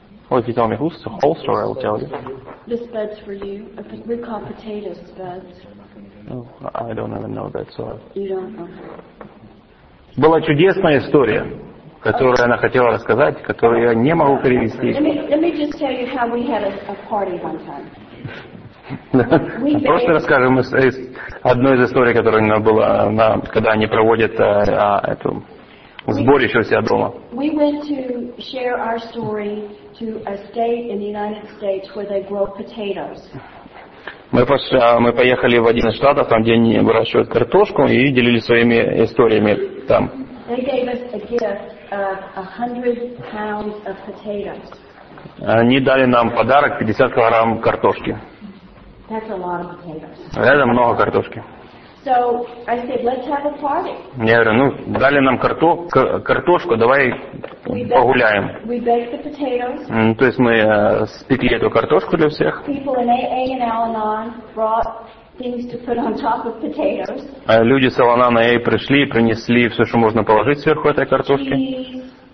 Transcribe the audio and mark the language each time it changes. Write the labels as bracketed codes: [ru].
[en] Well, if you tell me who's the whole story, I will tell you. This Bud's for you. We call potatoes Buds. Oh, I don't even know that, so... You don't know. [ru] Была чудесная история, которую она хотела рассказать, которую я не могу перевести. [en] Let me just tell you how we had a party one time. [ru] Просто расскажем из одной из историй, которая у нас была, когда они проводят эту сборище у себя дома. [en] We went to share our story to a state in the United States where they grow potatoes. [ru] Мы поехали в один из штатов, там, где они выращивают картошку, и делились своими историями там. [en] They gave us a gift of 100 pounds of potatoes. [ru] Они дали нам подарок 50 килограмм картошки. [en] That's a lot of potatoes. [ru] Это много картошки. [en] So I said, let's have a party. [ru] Я говорю, дали нам картошку, давай погуляем. [en] We baked the potatoes. [ru] То есть мы спекли эту картошку для всех. [en] People in AA and Al-Anon brought things to put on top of potatoes. [ru] Люди с Al-Anon AA пришли и принесли все, что можно положить сверху этой картошки.